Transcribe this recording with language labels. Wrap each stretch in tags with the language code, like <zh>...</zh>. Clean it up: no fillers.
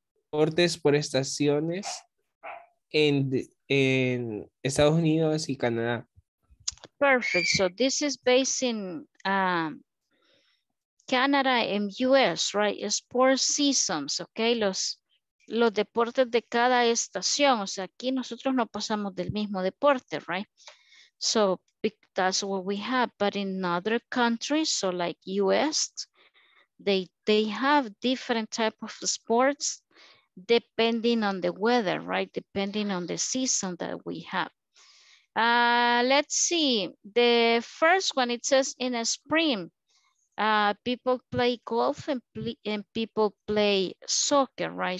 <es>Cortes por estaciones en Estados Unidos y Canadá.</es> <en>Perfect. So this is based in Canada and US, right? Sports seasons, okay?</en> <es>Los deportes de cada estación, o sea, aquí nosotros no pasamos del mismo deporte, right?</es> <en>So that's what we have, but in other countries, so like US, they have different type of sports depending on the weather, right? Depending on the season that we have. Let's see, the first one, it says in a spring, people play golf and people play soccer, right?</en>